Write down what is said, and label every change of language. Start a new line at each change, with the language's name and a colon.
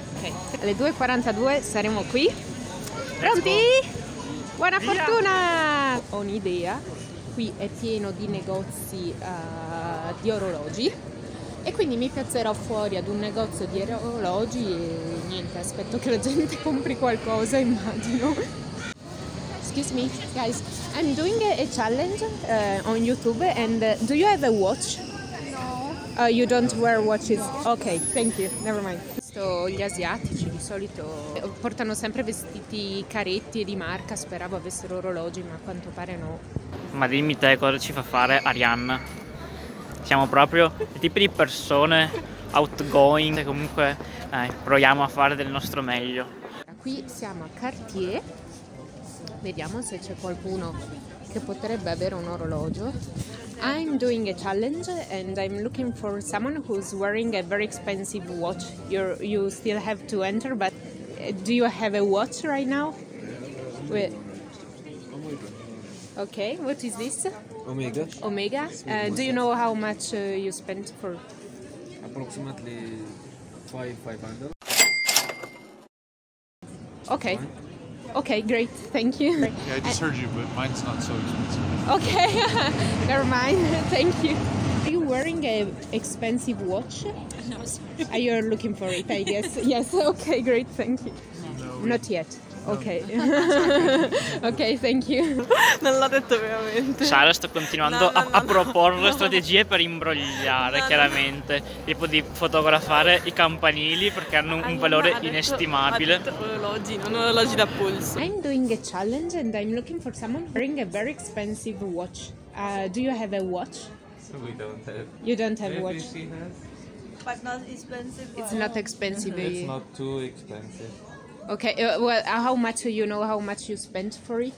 Italian: Ok, alle 2:42 saremo qui. Pronti? Buona via. Fortuna! Ho un'idea. Qui è pieno di negozi di orologi. E quindi mi piazzerò fuori ad un negozio di orologi e niente, aspetto che la gente compri qualcosa, immagino.
English: Excuse me, guys. I'm doing a challenge on YouTube and do you have a watch? You don't wear watches? No. Ok, thank you, never mind.
Italian: Questo, gli asiatici di solito portano sempre vestiti caretti e di marca, speravo avessero orologi, ma a quanto pare no. Ma dimmi te cosa ci fa fare Arianna? Siamo proprio il tipo di persone outgoing, comunque proviamo a fare del nostro meglio. Qui siamo a Cartier, vediamo se c'è qualcuno che potrebbe avere un orologio.
English: I'm doing a challenge and I'm looking for someone who's wearing a very expensive watch. You still have to enter, but do you have a watch right now? Wait. Okay, what is this? Omega. Omega. Do you know how much you spent for? Approximately 500. Okay. Okay, great. Thank you. Yeah, I just heard you, but mine's not so expensive. Okay, never mind. Thank you. Are you wearing an expensive watch? No, sorry. Are you looking for it? I guess. Yes. Okay, great. Thank you. No. Not yet. No. Okay. Okay, thank you.
Italian: Non l'ho detto veramente. Sara, sto continuando a proporre strategie per imbrogliare, chiaramente. Tipo di fotografare i campanili perché hanno un valore inestimabile. Ha detto orologi, non orologi da polso.
English: I'm doing a challenge and I'm looking for someone wearing a very expensive watch. Do you have a watch? We don't have. You don't have a watch? But not expensive. It's not expensive. It's not too expensive. Okay, well, how much do you know how much you spent for it?